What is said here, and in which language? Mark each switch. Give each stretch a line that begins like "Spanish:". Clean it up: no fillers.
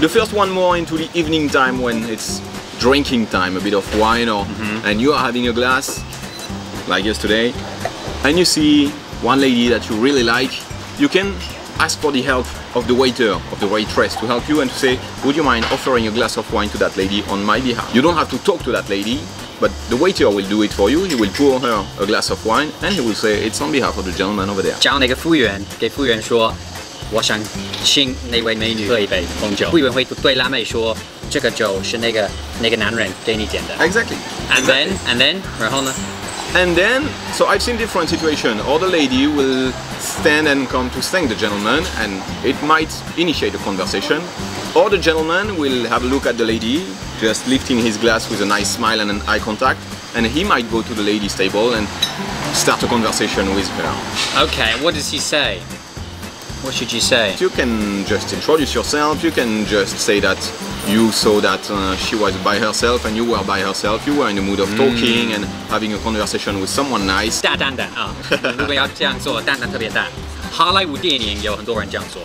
English: The first one more into the evening time when it'sDrinking time, a bit of wine, or and you are having a glass like yesterday, and you see one lady that you really like. You can ask for the help of the waiter, of the waitress, to help you and to say, "Would you mind offering a glass of wine to that lady on my behalf?" You don't have to talk to that lady, but the waiter will do it for you. He will pour her a glass of wine, and he will say, "It's on behalf of the gentleman over there."
Chinese: 叫那个服务员给服务员说，我想请那位美女喝一杯红酒。服务员会对辣妹说。这个酒是那个男人给你点的。
English: Exactly. And then, and then,
Chinese: 然后呢？
English: And then, so I've seen different situation. Or the lady will stand and come to thank the gentleman, and it might initiate a conversation. Or the gentleman will have a look at the lady, just lifting his glass with a nice smile and an eye contact, and he might go to the lady's table and start a conversation with her. Okay, what does he say? What should you say? You can just introduce yourself. You can just say that you saw that she was by herself and you were by herself. You were in the mood of talking and having a conversation with someone nice.
Chinese: 大胆胆啊！如果要这样做，胆胆特别大。好莱坞电影有很多人这样做。